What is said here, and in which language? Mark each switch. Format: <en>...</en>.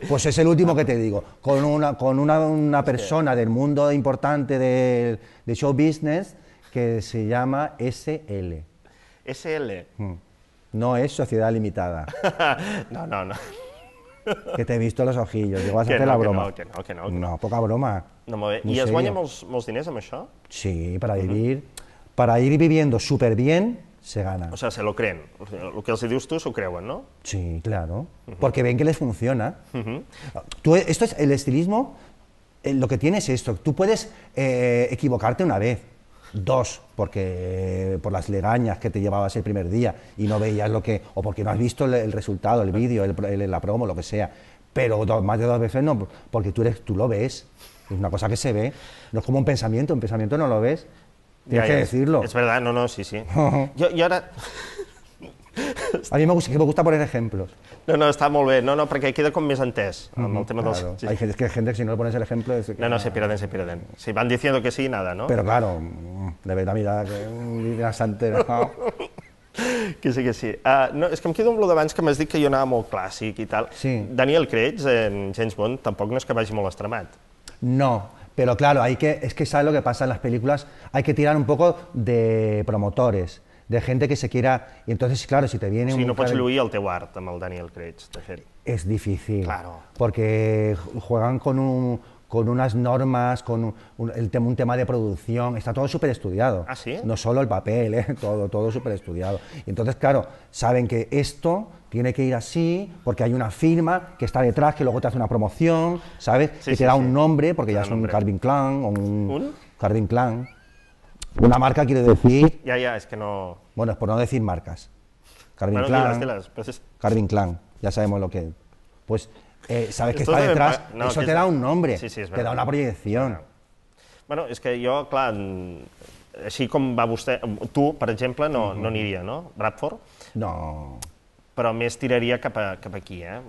<es>Pues es el último que te digo, con una persona del mundo importante de show business que se llama SL. ¿SL? No es Sociedad Limitada. No. Que te he visto los ojillos, digo, vas a hacer la broma. Que no. No, poca broma. No, muy bien.</es> <ca>¿Y has guanyat molts diners amb això?</ca> <es>Sí, para vivir, para ir viviendo súper bien... Se gana. O sea, se lo creen. Lo que se</es> <ca>dius</ca> <es>tú, se lo creuen, ¿no? Sí, claro. Uh-huh. Porque ven que les funciona. Uh-huh. Tú, esto es el estilismo lo que tienes es esto, tú puedes equivocarte una vez, dos, porque por las legañas que te llevabas el primer día y no veías lo que, o porque no has visto el resultado, el vídeo, la promo, lo que sea, pero más de dos veces no, porque tú lo ves, es una cosa que se ve, no es como un pensamiento no lo ves, tienes ya, que decirlo. Es verdad, no, sí, sí. yo ahora... A mi me gusta poner ejemplos.</es> <ca>No, està molt bé. No, perquè queda com més entès. Amb el tema dels... Sí.</ca> <es>Hay gente que si no le pones el ejemplo... Es que... No, se pierden. Si van diciendo que sí, nada, ¿no? Pero claro, de ver la mirada que... Una santera. Que sí.</es> <ca>No, és que em quedo amb el d'abans que m'has dit que jo anava molt clàssic i tal. Sí. Daniel Craig, en James Bond, tampoc no és que vagi molt estremat. No.</ca> <es>Pero claro, es que sabes lo que pasa en las películas, hay que tirar un poco de promotores, de gente que se quiera, y entonces claro, si te viene</es> <ca>o sigui, un... no pots lluir el teu art amb el Daniel Craig, de fer.</ca> <es>Es difícil, claro. Porque juegan con unas normas, con un tema de producción, está todo súper estudiado. ¿Ah, sí? No solo el papel, todo súper estudiado. Y entonces, claro, saben que esto tiene que ir así, porque hay una firma que está detrás, que luego te hace una promoción, ¿sabes? Sí, que sí, te da sí. Un nombre, porque ya es un Calvin Klein. Calvin Klein. Una marca quiere decir... Ya, es que no... Bueno, es por no decir marcas. Calvin bueno, Klein. Dilas. Calvin Klein, ya sabemos lo que es. Pues... sabes que esto está detrás, no, eso te da un nombre, sí, te da una proyección.</es> <ca>Bueno, és que jo, clar, així com va vostè, tu, per exemple, no, no aniria, no? Bradford? No. Però més tiraria cap aquí, eh?</ca>